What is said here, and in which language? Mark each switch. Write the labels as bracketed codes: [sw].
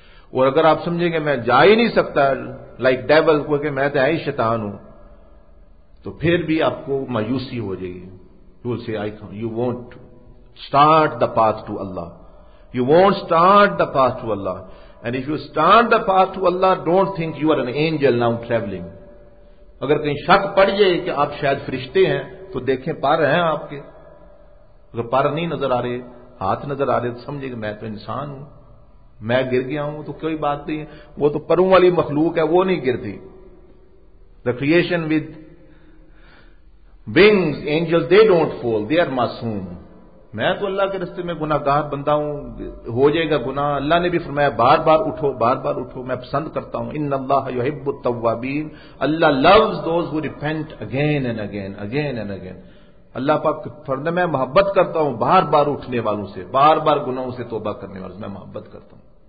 [ur] اور اگر آپ سمجھیں گے میں جا ہی نہیں سکتا [en] like devil, [ur] کیونکہ میں تو ہے ہی شیطان ہوں, تو پھر بھی آپ کو مایوسی ہو جائے گی. [en] You will say you won't start the path to Allah. And if you start the path to Allah, don't think you are an angel now traveling. [ur] اگر کہیں شک پڑ جائے کہ آپ شاید فرشتے ہیں تو دیکھیں پا رہے ہیں آپ کے. اگر پر نہیں نظر آ رہے, ہاتھ نظر آ رہے, تو سمجھے کہ میں تو انسان ہوں, میں گر گیا ہوں, تو کوئی بات نہیں ہے. وہ تو پروں والی مخلوق ہے, وہ نہیں گرتی. [en] The creation with wings, angels, they don't fall, they are معصوم. [ur] میں تو اللہ کے رستے میں گناہگار بندہ ہوں, ہو جائے گا گناہ. اللہ نے بھی فرمایا بار بار اٹھو, بار بار اٹھو, میں پسند کرتا ہوں. [ar] ان اللہ یحب التوابین. [en] اللہ loves those who repent again and again, again and again. [ur] اللہ پاک فرمایا میں محبت کرتا ہوں بار بار اٹھنے والوں سے, بار بار گناہوں سے توبہ کرنے والوں سے میں محبت کرتا ہوں.